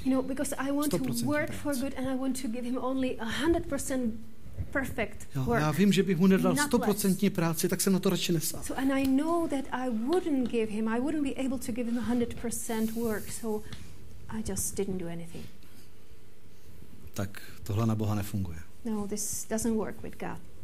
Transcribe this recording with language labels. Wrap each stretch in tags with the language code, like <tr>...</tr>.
<en>You know, because I want 100%. To work for good and I want to give him only 100% perfect work.</en> <cs>Já vím, že bych mu nedal 100% práci, tak jsem na to radši nesal.</cs> <en>So and I know that I wouldn't give him, I wouldn't be able to give him 100% work, so I just didn't do anything.</en> <cs>Tak tohle na Boha nefunguje.</cs> <en>No, this doesn't work with God.</en>